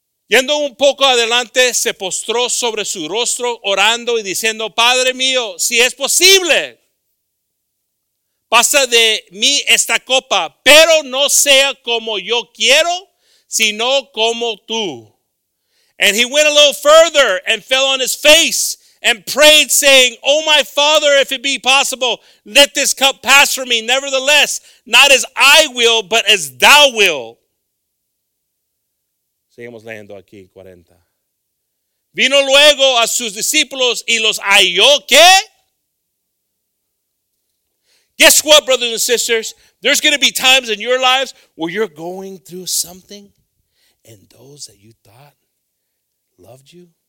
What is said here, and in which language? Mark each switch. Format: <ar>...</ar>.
<es>Yendo un poco adelante, se postró sobre su rostro, orando y diciendo, Padre mío, si es posible, pasa de mí esta copa, pero no sea como yo quiero, sino como tú.</es> <en>And he went a little further and fell on his face and prayed, saying, Oh, my Father, if it be possible, let this cup pass from me. Nevertheless, not as I will, but as thou will.</en> <es>Seguimos leyendo aquí, 40. Vino luego a sus discípulos y los halló, ¿qué?</es> <en>Guess what, brothers and sisters? There's going to be times in your lives where you're going through something, and those that you thought loved you,</en>